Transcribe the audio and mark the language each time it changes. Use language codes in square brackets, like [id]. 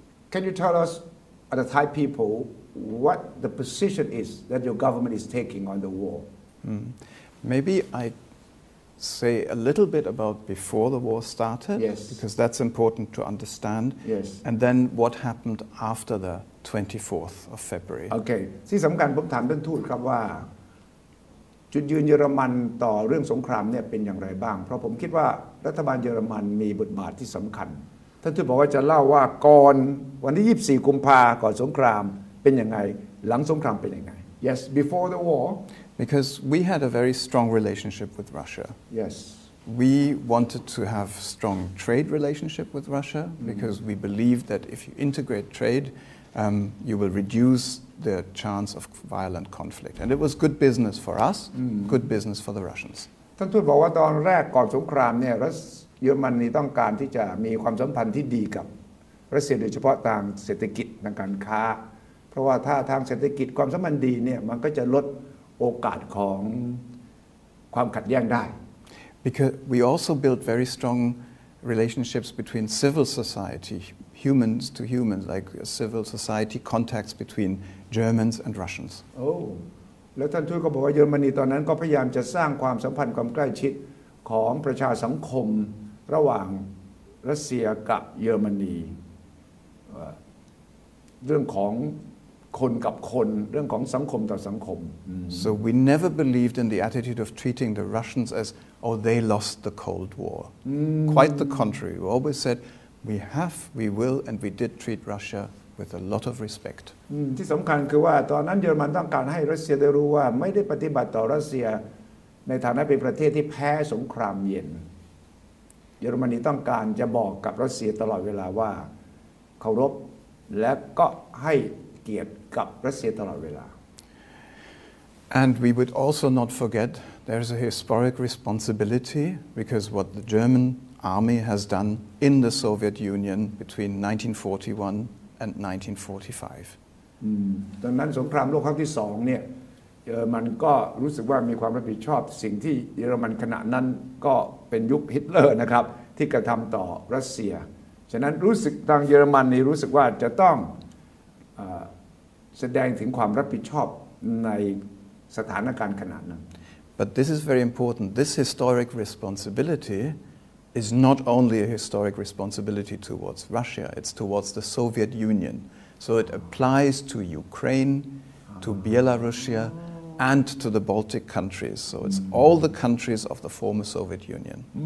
[en] Can you tell us, as the Thai people,what the position is that your government is taking on the war? Maybe I say a little bit about before the war started, yes. Because that's important to understand. Yes. And then what happened after the 24th of February. Okay. [th] ที่สำคัญผมถามท่านทูตครับว่าจุดยืนเยอรมันต่อเรื่องสงครามเนี่ยเป็นอย่างไรบ้างเพราะผมคิดว่ารัฐบาลเยอรมันมีบทบาทที่สำคัญ ท่านทูตบอกว่าจะเล่าว่าก่อนวันที่24กุมภาก่อนสงครามเป็นยังไงหลังสงครามเป็นยังไง [en] Yes before the war because we had a very strong relationship with Russia Yes we wanted to have strong trade relationship with Russia because mm-hmm. we believed that if you integrate tradeyou will reduce the chance of violent conflict and it was good business for us good business for the Russians [th] ท่านทูตบอกว่าตอนแรกก่อนสงครามเนี่ยรัสเยอรมนีต้องการที่จะมีความสัมพันธ์ที่ดีกับรัสเซียโดยเฉพาะทางเศรษฐกิจทางการค้าเพราะว่าถ้าทางเศรษฐกิจความสัมพันธ์ดีเนี่ยมันก็จะลดโอกาสของความขัดแย้งได้ [en] because we also built very strong relationships between civil societyhumans to humans like civil society contacts between Germans and Russians [th] oh แล้วท่านทูตก็บอกว่าเยอรมนีตอนนั้นก็พยายามจะสร้างความสัมพันธ์ความใกล้ชิดของประชาสังคมระหว่างรัสเซียกับเยอรมนีเรื่องของคนกับคนเรื่องของสังคมต่อสังคม [en] so we never believed in the attitude of treating the Russians as oh they lost the cold war quite the contrary we always saidWe have, we will, and we did treat Russia with a lot of respect. [th] ที่สำคัญคือว่าตอนนั้นเยอรมันต้องการให้รัสเซียได้รู้ว่าไม่ได้ปฏิบัติต่อรัสเซียในฐานะเป็นประเทศที่แพ้สงครามเย็นเยอรมนีต้องการจะบอกกับรัสเซียตลอดเวลาว่าเคารพและก็ให้เกียรติกับรัสเซียตลอดเวลา [en] And we would also not forget there is a historic responsibility because what the GermanArmy has done in the Soviet Union between 1941 and 1945. [th] ตอนนั้นสงครามโลกครั้งที่สองเนี่ยเยอรมันก็รู้สึกว่ามีความรับผิดชอบสิ่งที่เยอรมันขณะนั้นก็เป็นยุคฮิตเลอร์นะครับที่กระทำต่อรัสเซียฉะนั้นรู้สึกทางเยอรมันนี่รู้สึกว่าจะต้องแสดงถึงความรับผิดชอบในสถานการณ์ขณะนั้น [en] But this is very important. This historic responsibility. Is not only a historic responsibility towards Russia; it's towards the Soviet Union. So it applies to Ukraine, to Belarus, and to the Baltic countries. So it's all the countries of the former Soviet Union.